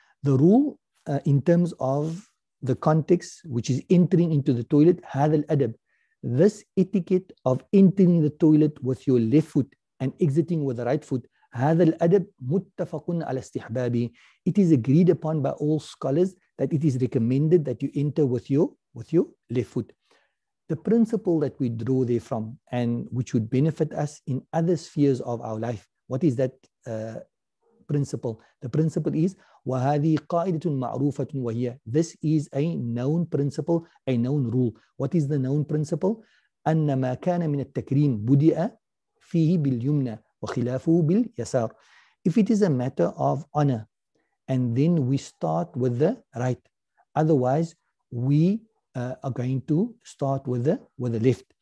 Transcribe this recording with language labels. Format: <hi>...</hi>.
<en>The rule, in terms of the context, which is entering into the toilet,</en> <ar>هذا الأدب,</ar> <en>this etiquette of entering the toilet with your left foot and exiting with the right foot,</en> <ar>هذا الأدب متفق على استحبابي.</ar> <en>It is agreed upon by all scholars that it is recommended that you enter with your left foot. The principle that we draw there from, and which would benefit us in other spheres of our life, what is that principle? The principle is</en> <ar>وَهَذِي قَاعِدَةٌ مَعْرُوفَةٌ وَهِيَ.</ar> <en>This is a known principle, a known rule. What is the known principle?</en> <ar>أَنَّ مَا كَانَ مِنَ التَّكْرِيمِ بُدِئَ فِيهِ بِالْيُمْنَى وَخِلَافُهُ بِالْيَسَارِ.</ar> <en>If it is a matter of honor, and then we start with the right, otherwise we are going to start with the left.</en>